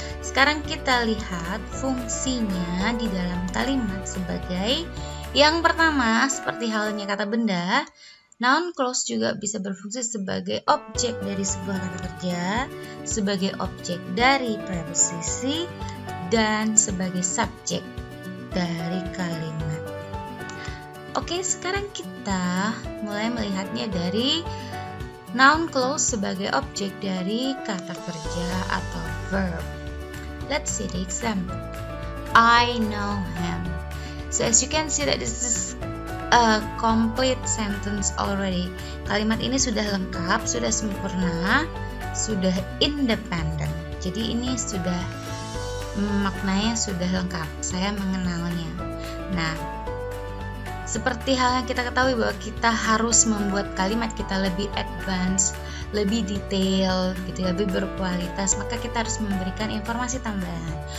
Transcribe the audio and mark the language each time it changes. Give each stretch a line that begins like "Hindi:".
Indonesian: Sekarang kita lihat fungsinya di dalam kalimat sebagai yang pertama, seperti halnya kata benda, noun clause juga bisa berfungsi sebagai objek dari sebuah kata kerja, sebagai objek dari preposisi, dan sebagai subjek dari kalimat. Oke, sekarang kita mulai melihatnya dari noun clause sebagai objek dari kata kerja atau verb.
English: Let's see the example. I know him. So as you can see that this is a complete sentence already.
Indonesian: Kalimat ini sudah lengkap, sudah sempurna, sudah independent. Jadi ini sudah maknanya sudah lengkap. Saya mengenalnya. Nah, seperti hal yang kita ketahui bahwa kita harus membuat kalimat kita lebih advance, lebih detail, gitu, lebih berkualitas, maka kita harus memberikan informasi tambahan.